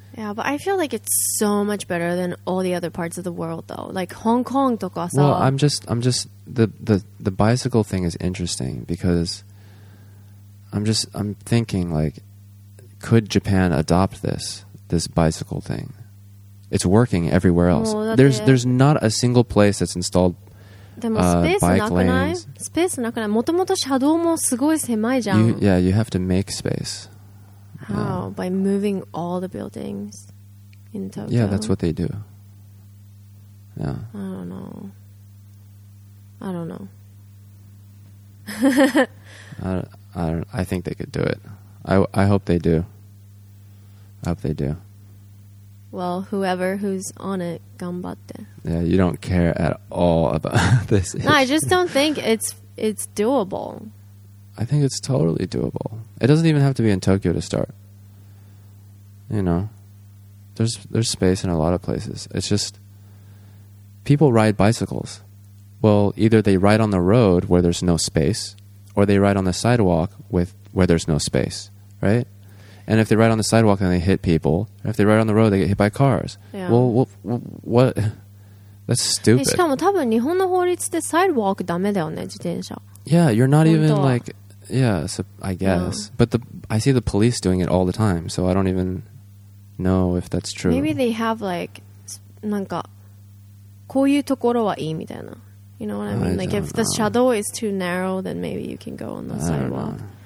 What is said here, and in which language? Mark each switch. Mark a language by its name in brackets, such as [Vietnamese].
[English] Yeah, but I feel like it's so much better than all the other parts of the world, though. Like Hong Kong [Japanese] とかさ. [English] Well, I'm just the bicycle thing is interesting because I'm thinking, like, could Japan adopt this bicycle thing? It's working everywhere else. There's not a single place that's installed. [Japanese] でもスペースなくない？スペースなくない？もともと車道もすごい狭いじゃん。 [English] You have to make space. How? Yeah. By moving all the buildings in Tokyo? Yeah, that's what they do. Yeah. I don't know. I think they could do it. I hope they do. I hope they do. Well, whoever who's on it, [Japanese] 頑張って. [English] Yeah, you don't care at all about this. No, I just don't think it's doable. I think it's totally doable. It doesn't even have to be in Tokyo to start. You know, there's space in a lot of places. It's just people ride bicycles. Well, either they ride on the road where there's no space, or they ride on the sidewalk where there's no space, right? And if they ride on the sidewalk, then they hit people. If they ride on the road, they get hit by cars. Yeah. Well, what? That's stupid. [Japanese] しかも多分日本の法律ってサイドワークダメだよね自転車. [English] Yeah, you're not even like. Yeah, so I guess. Yeah. But I see the police doing it all the time, so I don't even know if that's true. Maybe they have like, [Japanese] なんかこういうところはいいみたいな. [English] You know what I mean? Like if the shadow is too narrow, then maybe you can go on the sidewalk.